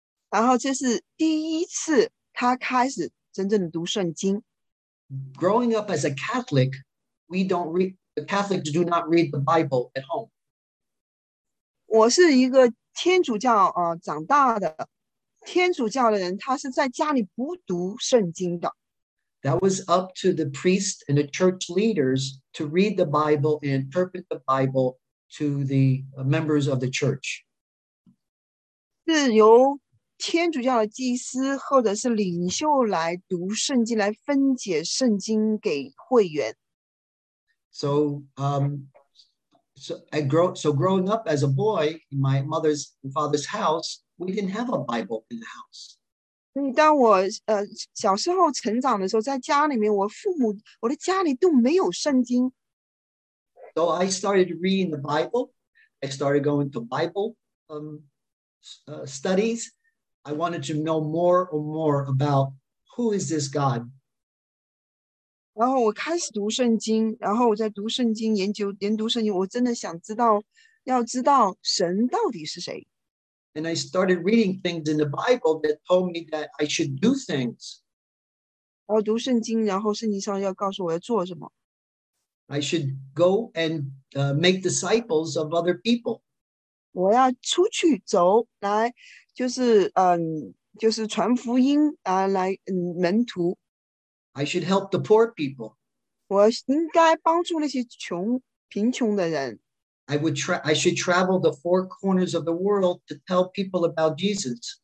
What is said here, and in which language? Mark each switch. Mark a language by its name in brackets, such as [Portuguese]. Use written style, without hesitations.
[Chinese] 然后这是第一次他开始真正的读圣经。 [English] Growing up as a Catholic, we don't read. The Catholics do not read the Bible at home. [Chinese] 我是一个天主教长大的，天主教的人，他是在家里不读圣经的。 [English] That was up to the priest and the church leaders to read the Bible and interpret the Bible to the members of the church. [Chinese] 是由天主教的祭司或者是领袖来读圣经，来分解圣经给会员。 [English] So growing up as a boy in my mother's and father's house, we didn't have a Bible in the house. [Chinese] 当我小时候成长的时候，在家里面，我的家里都没有圣经。 [English] So I started reading the Bible. I started going to Bible studies. I wanted to know more and more about who is this God. [Chinese] 然后我开始读圣经，然后我在读圣经，研读圣经，我真的想知道，要知道神到底是谁。 [English] And I started reading things in the Bible that told me that I should do things. [Chinese] 然后读圣经，然后圣经上要告诉我要做什么。 [English] I should go and make disciples of other people. [Chinese] 我要出去走，来，就是传福音，来门徒。 [English] I should help the poor people. [Chinese] 我应该帮助那些贫穷的人。 [English] I should travel the four corners of the world to tell people about Jesus.